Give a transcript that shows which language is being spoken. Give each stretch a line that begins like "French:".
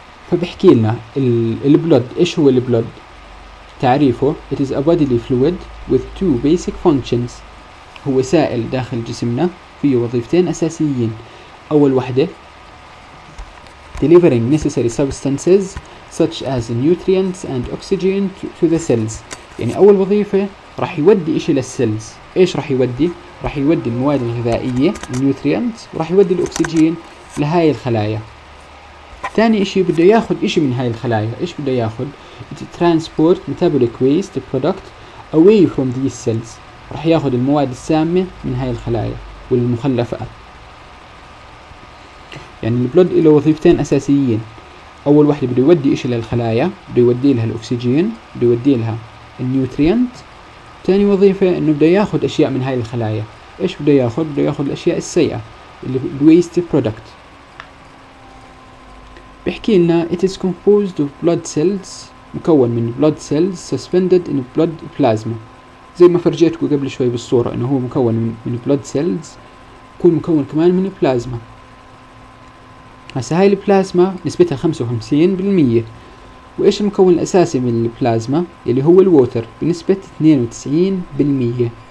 Arabic: فبحكي لنا البلود إيش هو البلود؟ تعريفه
English: it is a bodily fluid with two basic functions.
Arabic: هو سائل داخل جسمنا فيه وظيفتين أساسيين، أول واحدة
English: delivering necessary substances such as nutrients and oxygen to the cells.
Arabic: يعني أول وظيفة راح يودي إشي للسيلز، إيش راح يودي؟ راح يودي المواد الغذائية nutrients، وراح يودي الأكسجين لهاي الخلايا. ثاني إشي بده يأخذ إشي من هاي الخلايا، إيش بده يأخذ؟
English: to transport metabolic waste product away from these cells.
Arabic: راح يأخذ المواد السامة من هاي الخلايا والمخلفات. يعني البلود له وظيفتين أساسيين، أول واحدة بده يودي إشي للخلايا، بده يودي لها الأكسجين، بده يودي لها النيوترينت. ثاني وظيفة إنه بده يأخذ أشياء من هاي الخلايا، إيش بده يأخذ؟ بده يأخذ الأشياء السيئة اللي waste product. بحكي لنا
English: it is composed of blood cells،
Arabic: مكون من
English: blood cells suspended in blood plasma.
Arabic: زي ما فرجيتكم قبل شوي بالصورة إنه هو مكون من blood cells، يكون مكون كمان من plasma. هسه هاي البلازما نسبتها 55%، وإيش المكون الأساسي من البلازما؟ اللي هو الووتر بنسبة 92%.